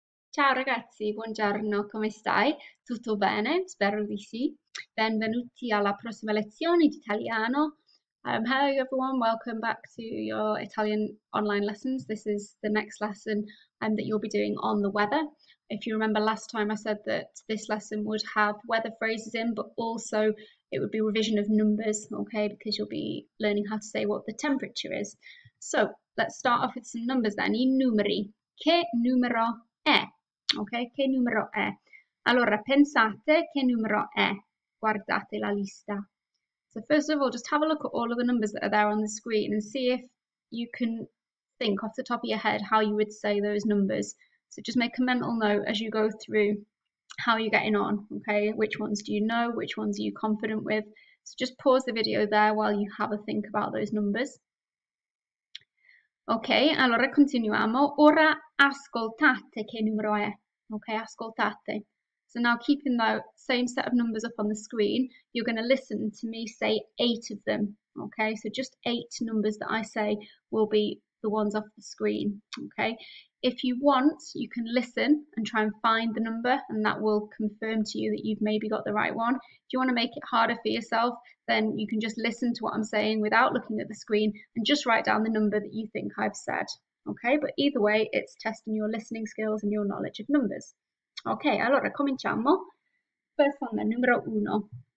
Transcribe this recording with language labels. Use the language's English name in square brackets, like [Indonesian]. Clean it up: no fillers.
[Italian] Ciao ragazzi, buongiorno, come stai? Tutto bene? Spero di sì. Benvenuti alla prossima lezione di italiano. [English] Hello everyone, welcome back to your Italian online lessons. This is the next lesson that you'll be doing on the weather. If you remember last time, I said that this lesson would have weather phrases in, but also it would be revision of numbers, okay? Because you'll be learning how to say what the temperature is. So let's start off with some numbers then. [Italian] I numeri. Che numero è? Ok, che numero è? Allora, pensate che numero è? Guardate la lista. [English] So first of all, just have a look at all of the numbers that are there on the screen and see if you can think off the top of your head how you would say those numbers. So just make a mental note as you go through how you're getting on, okay? Which ones do you know? Which ones are you confident with? So just pause the video there while you have a think about those numbers. [Italian] Ok, allora continuiamo. Ora ascoltate che numero è. Ok, ascoltate. [English] So now keeping the same set of numbers up on the screen, you're going to listen to me say eight of them. Okay, so just eight numbers that I say will be the ones off the screen. Okay, if you want, you can listen and try and find the number, and that will confirm to you that you've maybe got the right one. If you want to make it harder for yourself, then you can just listen to what I'm saying without looking at the screen and just write down the number that you think I've said. Okay, but either way, it's testing your listening skills and your knowledge of numbers. [Italian] Okay, allora cominciamo. [English] First one then, [Italian] numero uno.